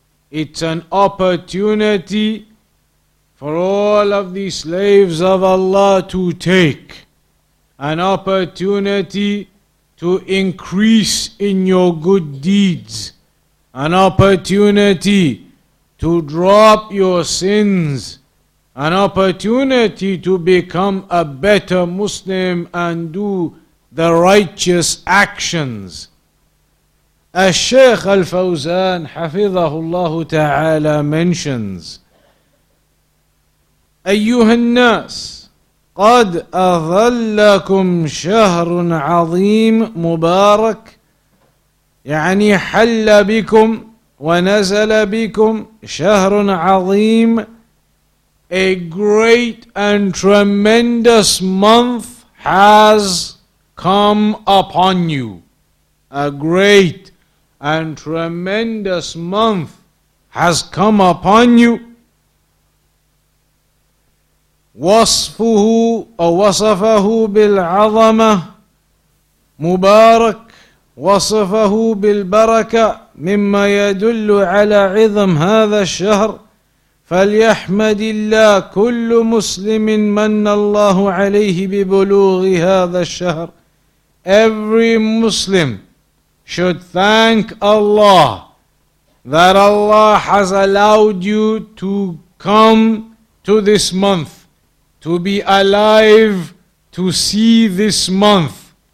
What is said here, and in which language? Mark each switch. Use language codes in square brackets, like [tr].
[en] It's an opportunity for all of the slaves of Allah to take, an opportunity to increase in your good deeds, an opportunity to drop your sins, an opportunity to become a better Muslim and do the righteous actions. [ar] الشيخ الفوزان حفظه الله تعالى [en] mentions, [ar] أيها الناس قد أظلكم شهر عظيم مبارك يعني حل بكم ونزل بكم شهر عظيم. [en] A great and tremendous month has come upon you. A great and tremendous month has come upon you. [ar] وصفه أو وصفه بالعظمة مبارك وصفه بالبركة مما يدل على عظم هذا الشهر فليحمد الله كل مسلم من الله عليه ببلوغ هذا الشهر. [en] Every Muslim should thank Allah that Allah has allowed you to come to this month, to be alive, to see this month.